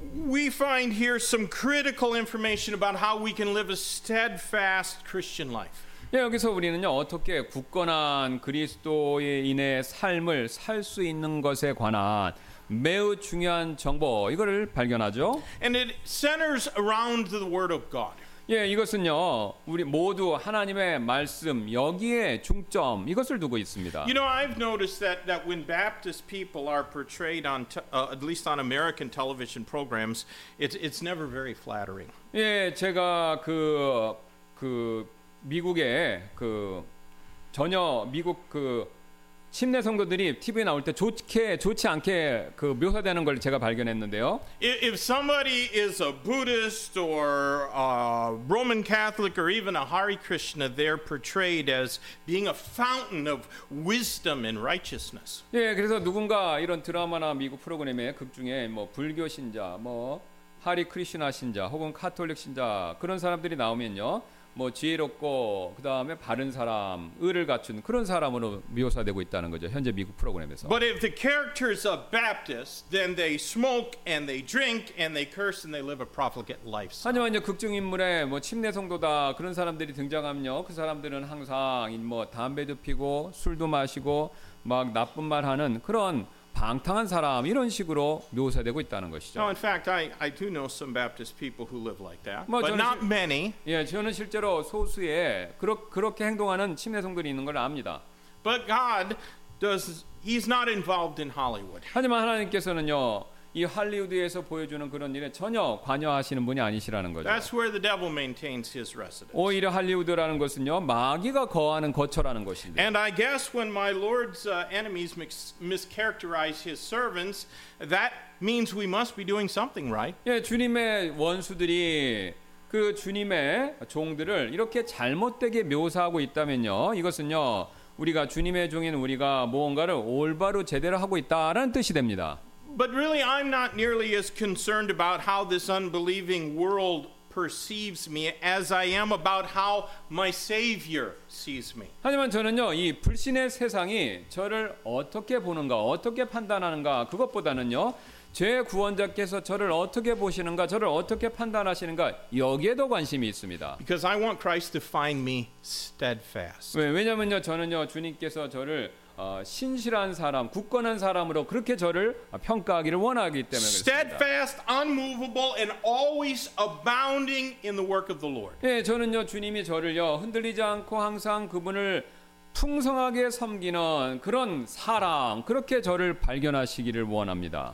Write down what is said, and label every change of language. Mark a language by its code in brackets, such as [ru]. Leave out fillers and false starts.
[en] We find here some critical information about how we can live a steadfast Christian life. [ko] 예, 여기서 우리는요 어떻게 굳건한 그리스도인의 삶을 살 수 있는 것에 관한 매우 중요한 정보 이거를 발견하죠. [en] And it centers around the Word of God. [ko] 예, 이것은요 우리 모두 하나님의 말씀 여기에 중점 이것을 두고 있습니다. [en] You know, I've noticed that when Baptist people are portrayed on at least on American television programs, it's never very flattering. [ko] 예, 제가 그 미국의 그 전혀 미국 그 침례 성도들이 TV에 나올 때 좋지 않게 그 묘사되는 걸 제가 발견했는데요. [en] If somebody is a Buddhist or a Roman Catholic or even a Hare Krishna, they're portrayed as being a fountain of wisdom and righteousness. [ko] 예, 그래서 누군가 이런 드라마나 미국 프로그램에 극 중에 뭐 불교 신자, 뭐 하리 크리스나 신자, 혹은 카톨릭 신자 그런 사람들이 나오면요. 뭐 지혜롭고 그다음에 바른 사람, 의를 갖춘 그런 사람으로 묘사되고 있다는 거죠. 현재 미국 프로그램에서. [en] But if the characters are Baptist, then they smoke and they drink and they curse and they live a profligate lifestyle. [ko] 하지만 이제 극중 인물에 뭐 침례 성도다 그런 사람들이 등장하면요. 그 사람들은 항상 뭐 담배도 피고 술도 마시고 막 나쁜 말 하는 그런 방탕한 사람 이런 식으로 묘사되고 있다는 것이죠. [en] Now, in fact, I do know some Baptist people who live like that, but not many. [ko] 예, 저는 실제로 소수의 그렇게 행동하는 침례성들이 있는 걸 압니다. [en] But God does. He's not involved in Hollywood. [ko] 하지만 하나님께서는요, 이 할리우드에서 보여주는 그런 일에 전혀 관여하시는 분이 아니시라는 거죠. [en] That's where the devil maintains his residence. [ko] 오히려 할리우드라는 것은요, 마귀가 거하는 거처라는 것입니다. [en] And I guess when my Lord's enemies mischaracterize his servants, that means we must be doing something right. [ko] 예, 주님의 원수들이 그 주님의 종들을 이렇게 잘못되게 묘사하고 있다면요, 이것은요. 우리가 주님의 종인 우리가 무언가를 올바로 제대로 하고 있다라는 뜻이 됩니다. [en] But really, I'm not nearly as concerned about how this unbelieving world perceives me as I am about how my Savior sees me. [ko] 하지만 저는요, 이 불신의 세상이 저를 어떻게 보는가, 어떻게 판단하는가 그것보다는요, 제 구원자께서 저를 어떻게 보시는가, 저를 어떻게 판단하시는가 여기에도 관심이 있습니다. [en] Because I want Christ to find me steadfast. [ko] 왜냐면요, 저는요, 주님께서 저를 신실한 사람, 굳건한 사람으로 그렇게 저를 평가하기를 원하기 때문에 [en] Steadfast, unmovable, and always abounding in the work of the Lord. [ko] 예, 저는요 주님이 저를요 흔들리지 않고 항상 그분을 풍성하게 섬기는 그런 사람 그렇게 저를 발견하시기를 원합니다.